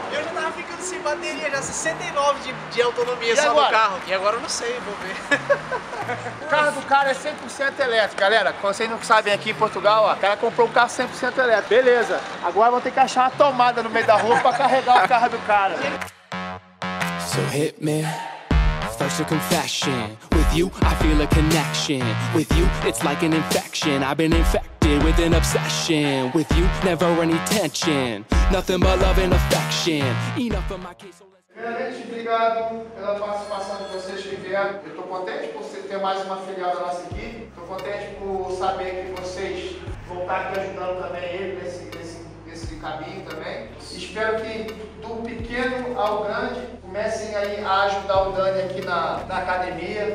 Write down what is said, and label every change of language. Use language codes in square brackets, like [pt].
[pt] Eu já tava ficando sem bateria, já 69 de autonomia e só agora? No carro. E agora eu não sei, vou ver. cara é 100% elétrico, galera. Como vocês não sabem, aqui em Portugal, ó, o cara comprou um carro 100% elétrico. Beleza. Agora vão ter que achar uma tomada no meio da rua pra carregar o carro do cara. [en] So hit me. First a confession. With you, I feel a connection. With you, it's like an infection. I've been infected with an obsession. With you, never any tension. Nothing but love and affection. Enough of my case. [pt] Primeiramente, obrigado pela participação de vocês que vieram. Eu tô contente por você ter mais uma filial da nossa equipe. Tô contente por saber que vocês vão estar aqui ajudando também ele nesse caminho também. Espero que do pequeno ao grande comecem aí a ajudar o Dani aqui na academia.